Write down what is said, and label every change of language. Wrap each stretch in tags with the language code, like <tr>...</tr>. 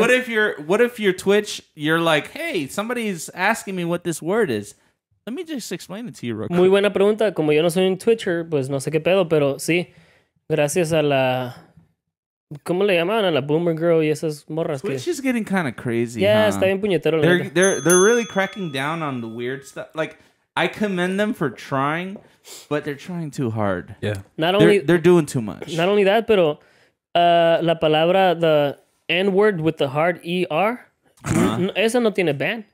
<en>Like, what if your Twitch, you're like, hey, somebody's asking me what this word is. Let me just explain it to you real quick.</en> <es>Muy buena pregunta. Como yo no soy un Twitcher, pues no sé qué pedo, pero sí. Gracias a la... ¿Cómo le llamaban a la Boomer Girl y esas morras?</es> <en>Twitch is getting kind of crazy. Yeah, huh?</en> <es>Está bien puñetero.</es> <en>They're really cracking down on the weird stuff. Like, I commend them for trying, but they're trying too hard. Yeah. They're doing too much. Not only that,</en> <es>pero la palabra,</es> <en>the N-word with the hard E-R,</en> <es>esa no tiene</es> <en>ban.</en>